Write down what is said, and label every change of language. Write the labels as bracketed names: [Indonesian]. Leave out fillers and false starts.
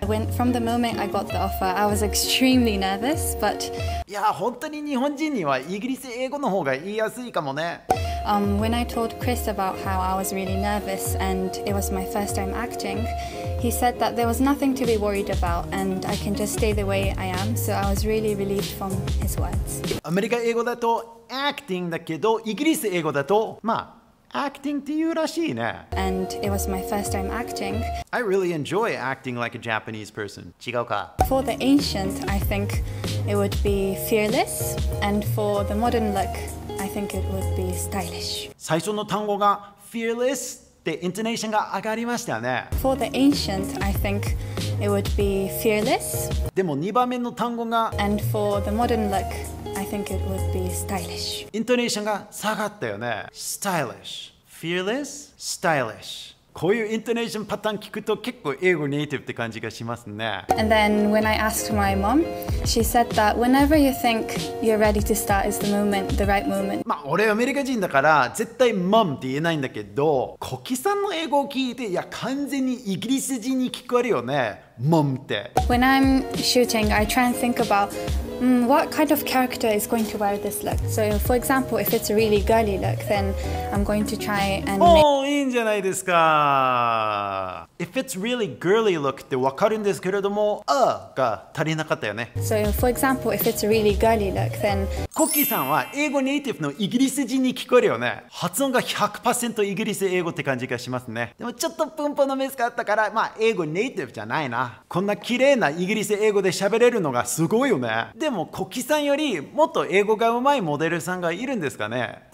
[English] When from the moment I got the offer, I was extremely nervous, but [Japanese] いや本当に日本人にはイギリス英語の方が言いやすいかもね。 [English] When I told Chris about how I was really nervous and it was my first time acting, he said that there was nothing to be worried about and I can just stay the way I am. So I was really relieved from his words. [Japanese] アメリカ英語だと acting だけど、イギリス英語だとまあ acting っていうらしいね。 [English] And it was my first time acting. I really enjoy acting like a Japanese person. [Japanese] 違うか? [English] For the ancient, I think it would be fearless and for the modern look,I think it would be stylish. [Japanese] 最初の単語が fearless ってイントネーションが上がりましたよね。 [English] For the ancient, I think it would be fearless. [Japanese] でも2番目の単語が [English] And for the modern look, I think it would be stylish. [Japanese] イントネーションが下がったよね。 [English] Stylish. Fearless, stylish. [Japanese] こういうイントネーションパターン聞くと結構英語ネイティブって感じがしますね。 [English] And then when I asked my mom, she said that whenever you think you're ready to start is the moment, the right moment. [Japanese] まあ俺アメリカ人だから絶対 mom って言えないんだけど、コキさんの英語を聞いていや完全にイギリス人に聞こえるよね。 Mom って。 [English] When I'm shooting, I try and think about、what kind of character is going to wear this look. So, for example, if it's a really girly look, then I'm going to try and. [Japanese] Oh, いいんじゃないですか。 [English] If it's really girly look, [Japanese] ってわかるんですけれども、が足りなかったよね。 [English] So, for example, if it's a really girly look, then. [Japanese] コッキーさんは英語ネイティブのイギリス人に聞こえるよね。発音が 100% イギリス英語って感じがしますね。でもちょっと文法のミスがあったから、まあ英語ネイティブじゃないな。こんな綺麗なイギリス英語で喋れるのがすごいよね。でもコキさんよりもっと英語が上手いモデルさんがいるんですかね。